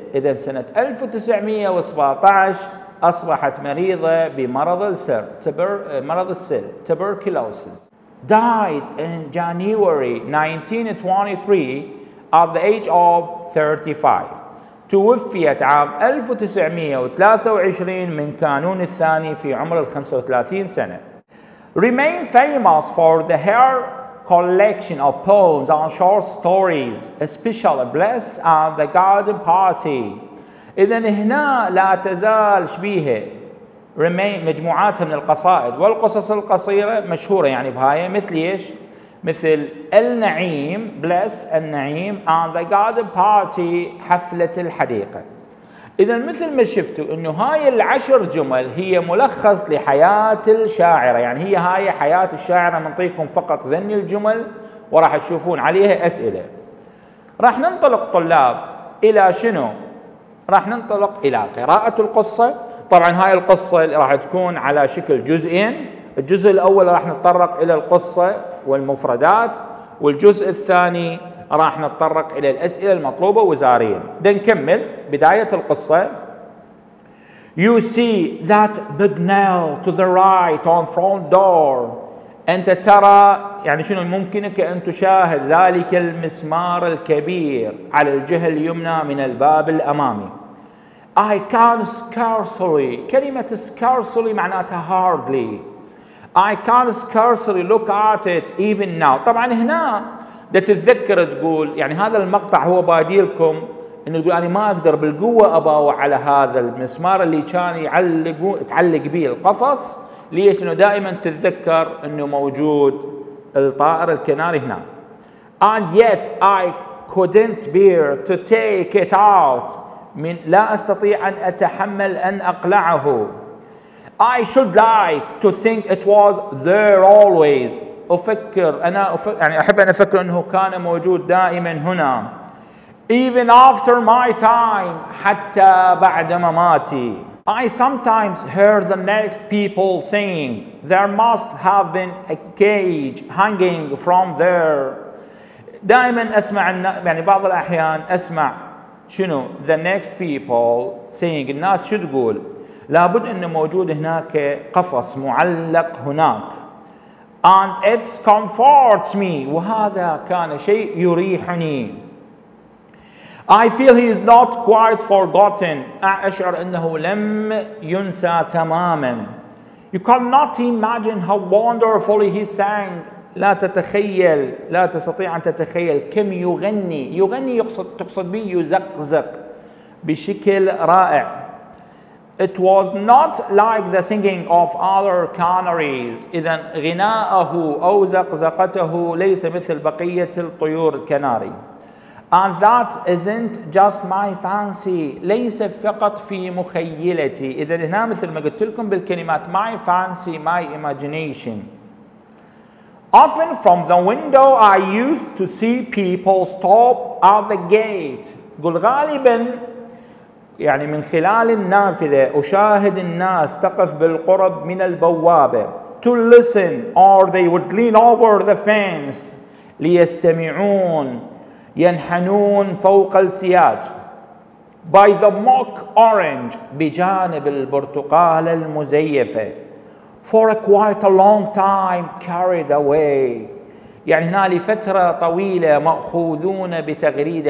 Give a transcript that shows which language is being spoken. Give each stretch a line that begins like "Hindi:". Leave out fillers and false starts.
Arabic: إذن سنة 1917 أصبحت مريضة بمرض السل tuberculosis.
English: Died in January 1923 at the age of 35.
Arabic: توفيت عام 1923 من كانون الثاني في عمر 35 سنة.
English: Remained famous for the her collection of poems and short stories, especially Bless and the Garden Party.
Arabic: إذن هنا لا تزال شبيهة مجموعات من القصائد والقصص القصيرة مشهورة يعني بهاي مثل إيش؟ مثل النعيم Bless النعيم and the Garden Party حفلة الحديقة. إذا مثل ما شفتوا إنه هاي العشر جمل هي ملخص لحياة الشاعرة، يعني هي هاي حياة الشاعرة، منطيكم فقط ذني الجمل وراح تشوفون عليها أسئلة. راح ننطلق طلاب إلى شنو؟ راح ننطلق إلى قراءة القصة. طبعا هاي القصة راح تكون على شكل جزئين، الجزء الأول راح نتطرق إلى القصة والمفردات، والجزء الثاني راح نتطرق إلى الأسئلة المطلوبة وزاريا. نكمل بداية القصة.
English: You see that big nail to the right on front door.
Arabic: أنت ترى، يعني شنو، ممكنك أن تشاهد ذلك المسمار الكبير على الجهة اليمنى من الباب الأمامي.
English: I can't scarcely،
Arabic: كلمة
English: scarcely
Arabic: معناتها
English: hardly. I can't scarcely look at it even now.
Arabic: طبعا هنا دا تتذكر تقول، يعني هذا المقطع هو بايديلكم انه تقول انا ما اقدر بالقوة اباوع على هذا المسمار اللي كان تعلق به القفص. ليش؟ انه دائما تتذكر انه موجود الطائر الكناري هنا.
English: And yet I couldn't bear to take it out.
Arabic: من لا استطيع ان اتحمل ان اقلعه.
English: I should like to think it was there always.
Arabic: أفكر أنا يعني أحب أن أفكر أنه كان موجود دائما هنا.
English: Even after my time،
Arabic: حتى بعد مماتي.
English: I sometimes heard the next people saying there must have been a cage hanging from there.
Arabic: دائما أسمع، يعني بعض الأحيان أسمع شنو
English: the next people saying،
Arabic: الناس شو تقول؟ لابد أنه موجود هناك قفص معلق هناك.
English: And it comforts me.
Arabic: وهذا كان شيء يريحني.
English: I feel he is not quite forgotten.
Arabic: أشعر أنه لم ينسى تماما.
English: You cannot imagine how wonderfully he sang.
Arabic: لا تتخيل، لا تستطيع أن تتخيل كم يغني. يغني تقصد به يزقزق بشكل رائع.
English: It was not like the singing of other canaries.
Arabic: إذن غناءه أو زقزقته ليس مثل بقية الطيور الكناري.
English: And that isn't just my fancy.
Arabic: ليس فقط في مخيلتي. إذن هنا مثل ما قلت لكم بالكلمات
English: my fancy, my imagination. Often from the window I used to see people stop at the gate.
Arabic: قل غالباً يعني من خلال النافذة أشاهد الناس تقف بالقرب من البوابة.
English: To listen or they would lean over the fence.
Arabic: ليستمعون، ينحنون فوق السياج.
English: By the mock orange،
Arabic: بجانب البرتقال المزيفة.
English: For a quite a long time carried away.
Arabic: يعني هنا لفترة طويلة مأخوذون بتغريدة.